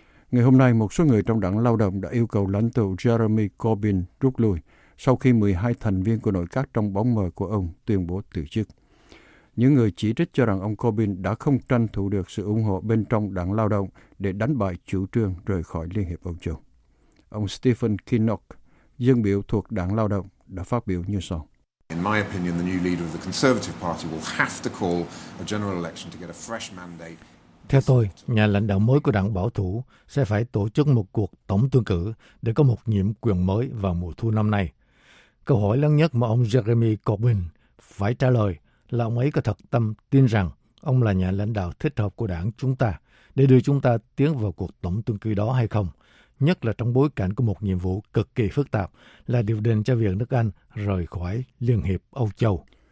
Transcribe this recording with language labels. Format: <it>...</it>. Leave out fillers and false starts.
<vi>Ngày hôm nay, một số người trong đảng lao động đã yêu cầu lãnh tụ Jeremy Corbyn rút lui sau khi 12 thành viên của nội các trong bóng mờ của ông tuyên bố từ chức. Những người chỉ trích cho rằng ông Corbyn đã không tranh thủ được sự ủng hộ bên trong đảng lao động để đánh bại chủ trương rời khỏi Liên hiệp Âu Châu. Ông Stephen Kinnock, dân biểu thuộc đảng lao động, đã phát biểu như sau.</vi> <en>In my opinion, the new leader of the Conservative Party will have to call a general election to get a fresh mandate.</en> <vi>Theo tôi, nhà lãnh đạo mới của đảng Bảo thủ sẽ phải tổ chức một cuộc tổng tuyển cử để có một nhiệm quyền mới vào mùa thu năm nay. Câu hỏi lớn nhất mà ông Jeremy Corbyn phải trả lời là ông ấy có thật tâm tin rằng ông là nhà lãnh đạo thích hợp của đảng chúng ta để đưa chúng ta tiến vào cuộc tổng tuyển cử đó hay không, nhất là trong bối cảnh của một nhiệm vụ cực kỳ phức tạp là điều đình cho việc nước Anh rời khỏi Liên hiệp Âu Châu.</vi>